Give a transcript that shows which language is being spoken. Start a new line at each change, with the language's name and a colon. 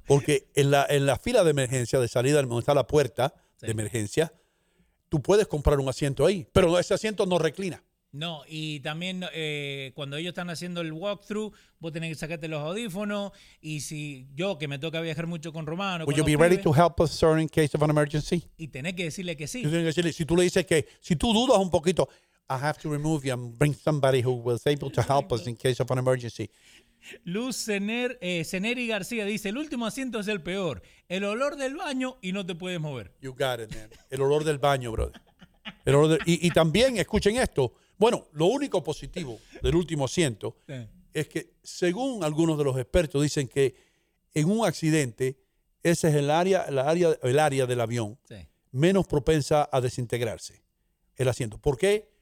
Spanish: Porque en la fila de emergencia, de salida, donde está la puerta de emergencia, tú puedes comprar un asiento ahí, pero ese asiento no reclina. No, y también cuando ellos están haciendo el walkthrough, vos tenés que sacarte los audífonos. Y si yo, que me toca viajar mucho con Romano.
English: Will you be ready to help us, sir, in case of an emergency?
Spanish: Y tenés que decirle que sí. Si tú le dices que, si tú dudas un poquito,
English: I have to remove you and bring somebody who was able to help us in case of an emergency.
Spanish: Luz Ceneri García dice: el último asiento es el peor. El olor del baño y no te puedes mover.
English: You got it, man.
Spanish: El olor del baño, brother. El olor y también, escuchen esto. Bueno, lo único positivo del último asiento es que, según algunos de los expertos, dicen que en un accidente, ese es el área del avión menos propensa a desintegrarse, el asiento. ¿Por qué?